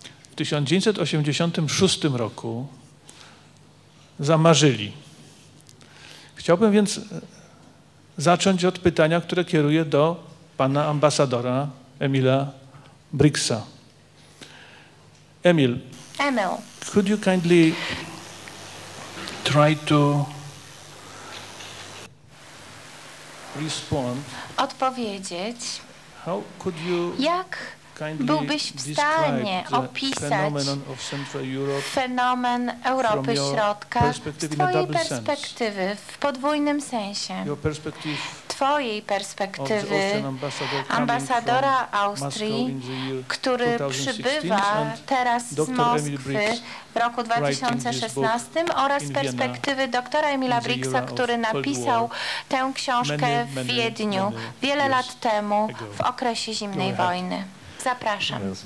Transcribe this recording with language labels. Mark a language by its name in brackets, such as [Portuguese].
[Polish] W 1986 roku zamarzyli. Chciałbym więc zacząć od pytania, które kieruję do pana ambasadora Emila Brixa. Emil, Emil, [English] could you kindly try to respond? [Polish] Odpowiedzieć. [English] How could you? [Polish] Jak byłbyś w stanie opisać fenomen Europy Środka z twojej perspektywy, w podwójnym sensie, twojej perspektywy ambasadora Austrii, który przybywa teraz z Moskwy w roku 2016 oraz perspektywy doktora Emila Brixa, który napisał tę książkę w Wiedniu wiele lat temu w okresie zimnej wojny. Zapraszam.